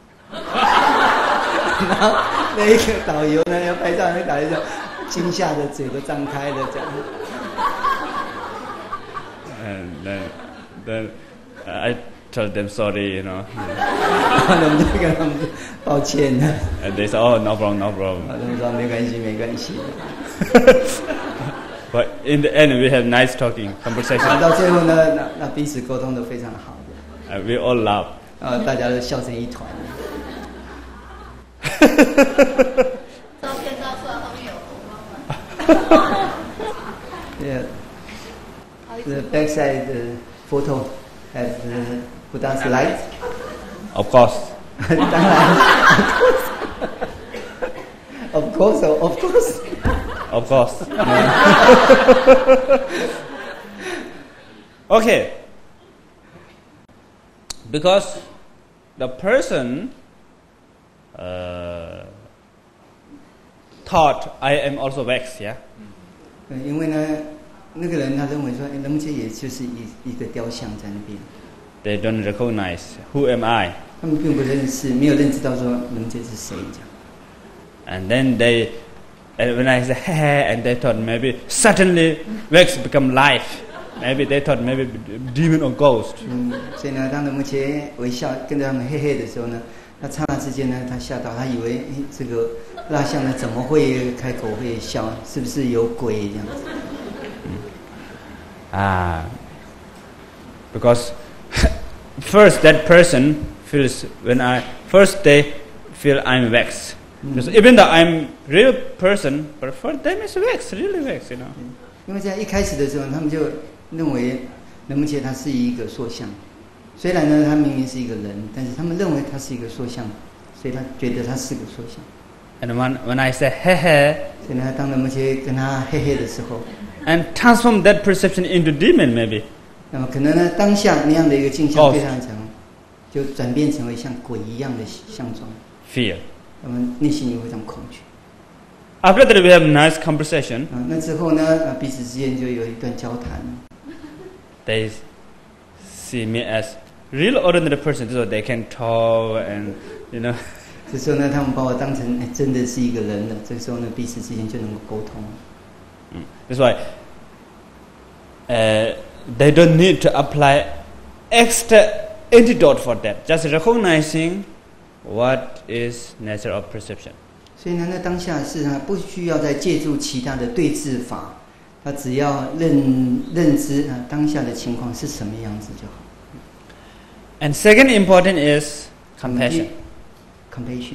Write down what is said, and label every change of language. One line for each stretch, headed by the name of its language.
Chinese: 然后那一个导游呢，要拍照，那导游就惊吓的嘴都张开了，这样。
English: And then I told them sorry, you know.
Chinese: 然后我们就跟他们抱歉了。
English: And they said, "Oh, no problem, no problem."
Chinese: 他们说没关系，没关系。
English: But in the end, we have nice talking conversation.
Chinese: 到最后呢，那彼此沟通都非常好的。
English: And we all laugh.
Chinese: 大家都笑成一团。照片照出来后面有红包吗？对。
English: The backside photo has Buddha's light. Of course.
Chinese: 当然。
English: Of course. Of course. Of course. Okay. Because the person. Thought I am also wax, yeah.
Chinese: 因为呢，那个人他认为说，哎，龙姐也就是一个雕像在那边。
English: They don't recognize who am I.
Chinese: 他们并不认识，没有认识到说龙姐是谁这样。
English: And then they, and when I said hey, and they thought maybe suddenly wax become life. Maybe they thought maybe demon or ghost.
Chinese: 所以呢，当龙姐微笑跟着他们嘿嘿的时候呢。他刹那之间呢，他吓到，他以为这个蜡像呢怎么会开口会笑？是不是有鬼这样子？
English: Because first that person feels when I first they feel I'm wax. Because even though I'm real person, but for them it's wax, really wax, you know.
Chinese: 因为在一开始的时候，他们就认为能不能觉得他是一个塑像。虽然呢，他明明是一个人，但是他们认为他是一个塑像，所以他觉得他是个塑像。
English: And when I say hey hey,
Chinese: 所以呢，当他们去跟他嘿嘿的时候
English: ，and transform that perception into demon maybe.
Chinese: 那么可能呢，当下那样的一个镜像非常强， oh. 就转变成为像鬼一样的相状。
English: Fear.
Chinese: 那么内心也非常恐惧。
English: After that, we have a nice conversation.
Chinese: 那之后呢，彼此之间就有一段交谈。
English: Days. See me as real ordinary person, so they can talk and you know.
Chinese: 这时候呢，他们把我当成真的是一个人了。这时候呢，彼此之间就能够沟通。
English: That's why. They don't need to apply extra antidote for that. Just recognizing what is nature of perception.
Chinese: 所以呢，那当下是他不需要再借助其他的对治法。他只要认知当下的情况是什么样子就好。
English: And second important is compassion. Compassion.